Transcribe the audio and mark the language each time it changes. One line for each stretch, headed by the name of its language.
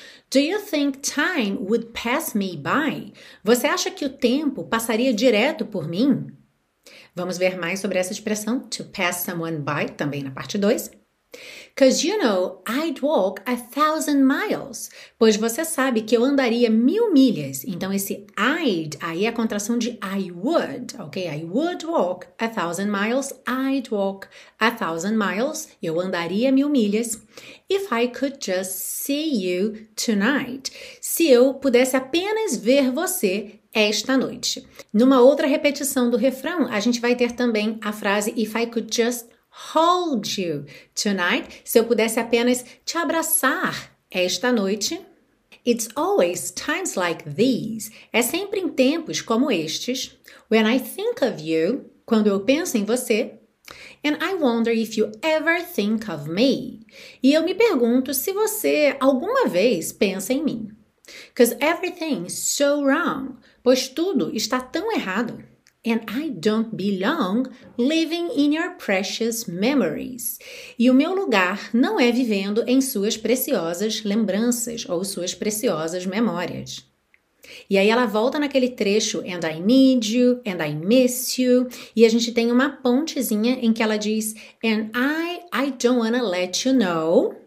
English: Do you think time would pass me by?
Portuguese: Você acha que o tempo passaria direto por mim? Vamos ver mais sobre essa expressão,
English: to pass someone by,
Portuguese: também na parte 2.
English: 'Cause you know, I'd walk 1,000 miles.
Portuguese: Pois você sabe que eu andaria 1,000 milhas. Então, esse I'd aí é a contração de I would, ok?
English: I would walk 1,000 miles. I'd walk 1,000 miles.
Portuguese: Eu andaria 1,000 milhas.
English: If I could just see you tonight.
Portuguese: Se eu pudesse apenas ver você esta noite. Numa outra repetição do refrão, a gente vai ter também a frase
English: if I could just hold you tonight,
Portuguese: se eu pudesse apenas te abraçar esta noite.
English: It's always times like these,
Portuguese: é sempre em tempos como estes,
English: when I think of you,
Portuguese: quando eu penso em você,
English: and I wonder if you ever think of me,
Portuguese: e eu me pergunto se você alguma vez pensa em mim.
English: 'Cause everything's so wrong,
Portuguese: pois tudo está tão errado. And I don't belong living in your precious memories. E o meu lugar não é vivendo em suas preciosas lembranças ou suas preciosas memórias. E aí ela volta naquele trecho,
English: and I need you, and I miss you,
Portuguese: e a gente tem uma pontezinha em que ela diz,
English: and I don't wanna let you know.